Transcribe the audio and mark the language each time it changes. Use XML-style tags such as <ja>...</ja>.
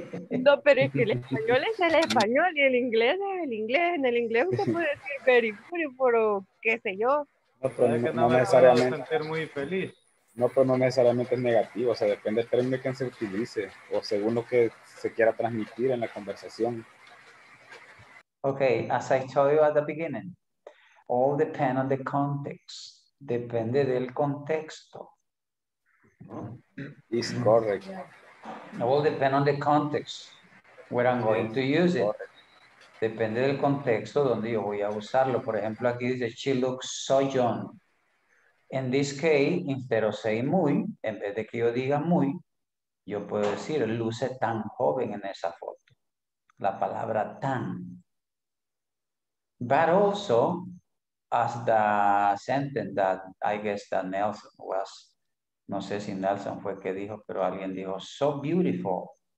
<es>No, pero es que el español es el español y el inglés es el inglés. En el inglés usted puede decir</es> <en>very beautiful</en> <es>o qué sé yo. No, pero es que no necesariamente. Me voy a sentir muy feliz. No, pero no necesariamente es negativo. O sea, depende del término que se utilice o según lo que se quiera transmitir en la conversación.</es> <en>Okay, as I told you at the beginning, all depend on the context.</en> <es>Depende del contexto.</es> <en>Is correct. It will depend on the context where I'm going to use it.</en> <es>Depende del contexto donde yo voy a usarlo. Por ejemplo, aquí dice,</es> <en>she looks so young. In this case, instead of saying</en> <es>muy, en vez de que yo diga muy, yo puedo decir, luce tan joven en esa foto. La palabra tan.</es> <en>But also, as the sentence that I guess that Nelson was,</en> <es>no sé si Nelson fue que dijo, pero alguien dijo,</es> <en>so beautiful.</en>